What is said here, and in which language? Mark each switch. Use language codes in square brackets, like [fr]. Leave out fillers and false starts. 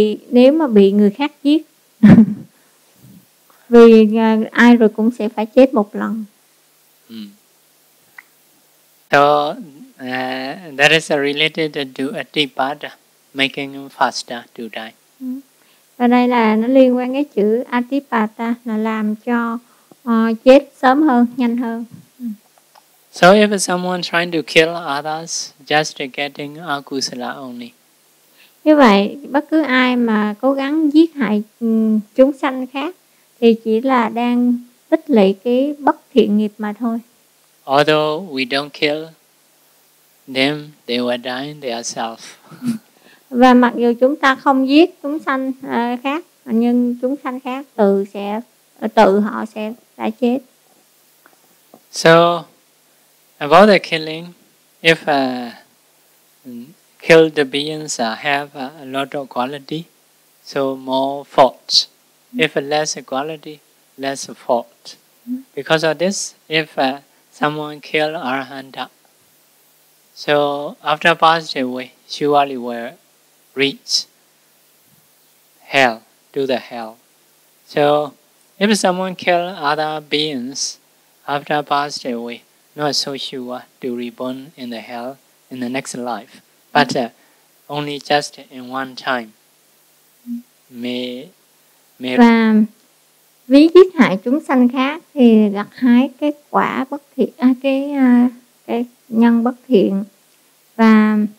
[vi] Nếu mà bị người khác giết. Vì ai rồi cũng sẽ phải chết một lần. [en] So that is related to Atipada, making faster to die. [vi] Và đây là nó liên quan cái chữ Atipada, là làm cho chết sớm hơn, nhanh hơn. [en] So if someone trying to kill others, just getting akusala only. [vi] Như vậy, bất cứ ai mà cố gắng giết hại chúng sanh khác, thì chỉ là đang tích lũy cái bất thiện nghiệp mà thôi. [en] Although we don't kill them, they will die themselves. [vi] Và mặc dù chúng ta không giết chúng sanh khác, nhưng chúng sanh khác tự họ sẽ đã chết. [en] So about the killing, if killed beings have a lot of quality, so more faults. If less quality, less fault. Because of this, if someone kill Arahanta, so after passed away, surely will reach hell, to the hell. So if someone kill other beings after passed away, not so sure to reborn in the hell in the next life, but only just in one time, [vi] Và ví giết hại chúng sanh khác thì gặt hái cái quả bất thiện, cái nhân bất thiện. Và